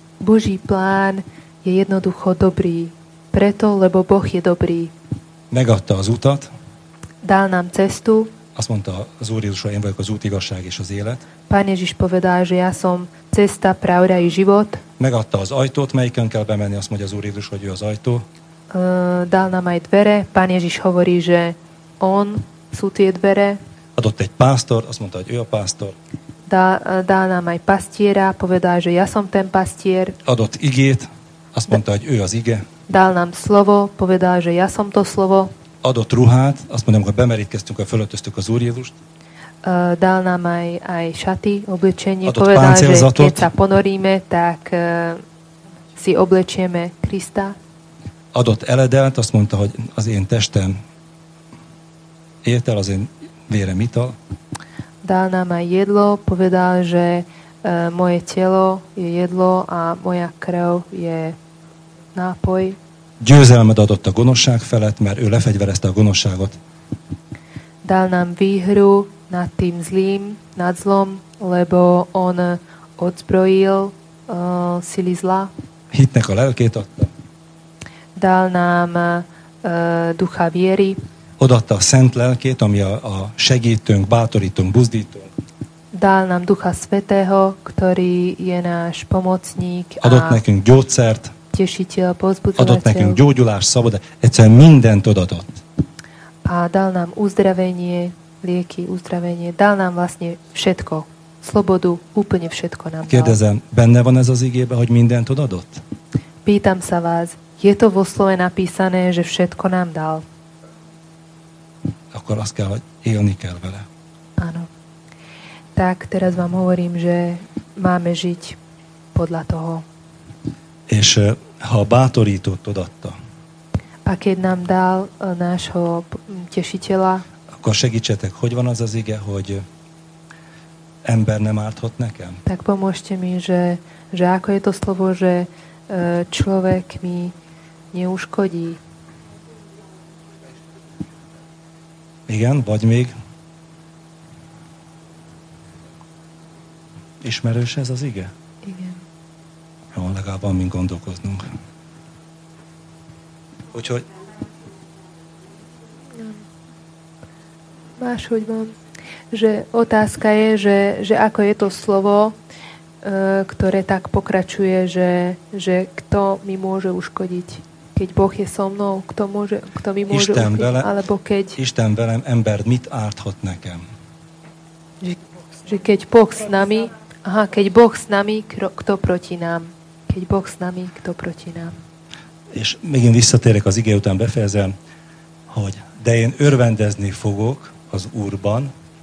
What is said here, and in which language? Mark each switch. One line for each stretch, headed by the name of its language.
Slovak: Boží plán je jednoducho dobrý. Preto, lebo Boh je dobrý.
Hungarian: Megadta az utat.
Slovak: Dál nám cestu.
Hungarian: Azt mondta az Úr Jézus, hogy én vagyok az út, igazság és az élet.
Slovak: Pán Ježiš povedal, že ja som cesta, pravda i život.
Hungarian: Megadta az ajtót, melyikön kell bemenni, azt mondja az Úr Jézus, hogy ő az ajtó.
Slovak: Dál nám aj dvere. Pán Ježiš hovorí, že on sú tie dvere.
Hungarian: Adott egy pásztor, azt mondta, hogy ő a pásztor.
Slovak: Dál nám aj pastiera, povedal, že ja som ten pastier.
Hungarian: Adott igét, azt mondta, hogy ő az ige.
Slovak: Dál nám slovo, povedal, že ja som to slovo.
Hungarian: Adott ruhát, azt mondja, amikor bemerítkeztünk, a fölöltöztük az Úr Jézust.
Slovak: dal nám aj šaty, oblečenie.
Hungarian: Adott
Slovak: povedal, že keď sa ponoríme, tak si oblečieme Krista.
Hungarian: Adott eledelt, azt mondta, hogy az én testem étel, az én vérem ital.
Slovak: Dal nám aj jedlo, povedal, že moje telo je jedlo a moja krv je nápoj.
Hungarian: Győzelmet adott a gonoszság felett, mert ő lefegyverezte a gonoszságot.
Slovak: Dal nám výhru nad tým zlým, nad zlom, lebo on odzbrojil sily zla.
Hungarian: Hitnek a lelkét adta.
Slovak: Dal nám ducha viery.
Hungarian: Odatta a szent lelkét, ami a segítőnk, bátorítunk, buzdítunk.
Slovak: Dal nám ducha svetého, ktorý je náš pomocník.
Hungarian: Adott nekünk gyógyszert.
Slovak: Tešiteľ, pozbudzovateľ.
Hungarian: Adott nekünk gyógyulást, szabad. Egyszerűen mindent odadott.
Slovak: A dal nám uzdravenie, lieky, uzdravenie. Dal nám vlastne všetko. Slobodu, úplne všetko nám dal.
Hungarian: Kérdezem, benne van ez az igébe, hogy mindent odadott?
Slovak: Pýtam sa vás, je to vo slove napísané, že všetko nám dal?
Hungarian: Akkor azt kell, hogy élni kell vele.
Slovak: Áno. Tak teraz vám hovorím, že máme žiť podľa toho.
Hungarian: És ha bátorítót odadta.
Slovak: A keď nám dal nášho tešiteľa.
Hungarian: Akkor segítsetek, hogy van az az ige, hogy ember nem árthat nekem?
Slovak: Tak pomôžte mi, že ako je to slovo, že človek mi neuškodí.
Hungarian: Igen, vagy még. Ismerős ez az ige? Igen. Jó, legalább van, mint gondolkoznunk. Úgyhogy... Máshogy van.
Slovak: Že otázka je, že ako je to slovo, ktoré tak pokračuje, že kto mi môže uškodiť? Keď Boh je so mnou, kto mi môže
Hungarian: Isten Velem,
Slovak: alebo keď...
Hungarian: Isten velem, ember mit árthat nekem?
Slovak: Že keď Boh s nami... Aha, keď Boh s nami, kto proti nám? Keď Boh s nami, kto proti nám?
Hungarian: És még én visszatérek az ige után, befejezem, hogy de én örvendezni fogok az Úrban.